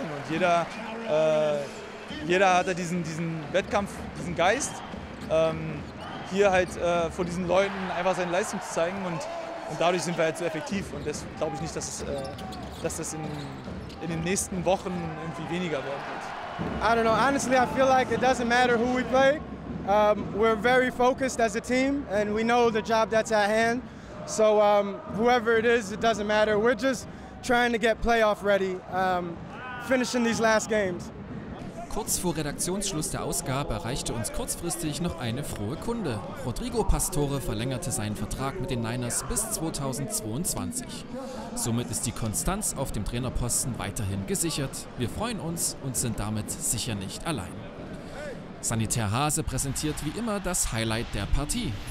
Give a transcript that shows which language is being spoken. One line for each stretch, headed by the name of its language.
German: Und jeder hat da diesen Wettkampf, diesen Geist, hier halt vor diesen Leuten einfach seine Leistung zu zeigen. Und dadurch sind wir halt so effektiv und das glaube ich nicht, dass das in den nächsten Wochen irgendwie weniger werden wird.
English: I don't know. Honestly, I feel like it doesn't matter who we play. We're very focused as a team and we know the job that's at hand. So whoever it is, it doesn't matter. We're just trying to get playoff ready, finishing these last games.
German: Kurz vor Redaktionsschluss der Ausgabe erreichte uns kurzfristig noch eine frohe Kunde. Rodrigo Pastore verlängerte seinen Vertrag mit den Niners bis 2022. Somit ist die Konstanz auf dem Trainerposten weiterhin gesichert. Wir freuen uns und sind damit sicher nicht allein. Sanitär Hase präsentiert wie immer das Highlight der Partie.